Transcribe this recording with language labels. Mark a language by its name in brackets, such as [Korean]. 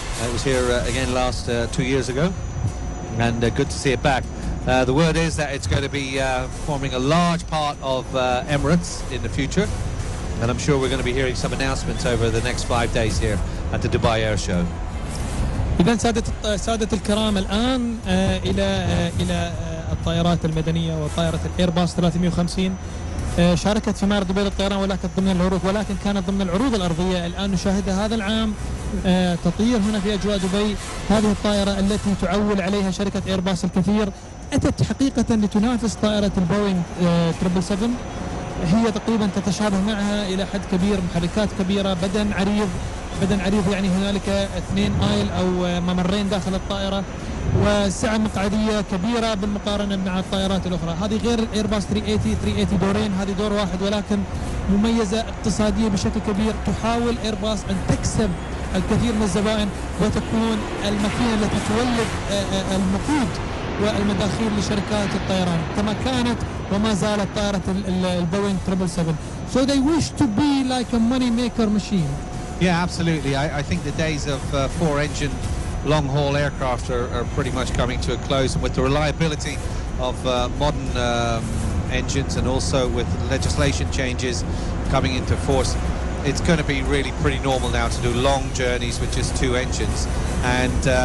[English] It was here again last 2 years ago. And good to see it back. The word is that it's going to be forming a large part of Emirates in the future. And I'm sure we're going to be hearing some announcements over the next 5 days here at the Dubai Air Show. [Arabic] إذن سادة الكرام الآن إلى الطائرات المدنية وطائرة الإيرباص 350 شاركت في معرض دبي للطيران ولكن ضمن العروض ولكن كانت ضمن العروض الأرضية الآن نشاهدها هذا العام تطير هنا في أجواء دبي هذه الطائرة التي تعول عليها شركة إيرباص الكثير أتت حقيقة لتنافس طائرة البوينغ 777 هي تقريبا تتشابه معها إلى حد كبير محركات كبيرة بدن عريض يعني هنالك 2 مايل أو ممرين داخل الطائرة وسعة مقعدية كبيرة بالمقارنة مع الطائرات الأخرى هذه غير الإيرباص 380 دورين هذه دور واحد ولكن مميزة اقتصادية بشكل كبير تحاول إيرباص أن تكسب الكثير من الزبائن وتكون المكينة التي تولد النقود والمداخيل لشركات الطيران كما كانت وما زالت طائرة البوينغ 777 [English] So they wish to be like a money maker machine Yeah, absolutely. I think the days of four-engine long-haul aircraft are pretty much coming to a close. And with the reliability of modern engines and also with legislation changes coming into force, it's going to be really pretty normal now to do long journeys with just two engines. And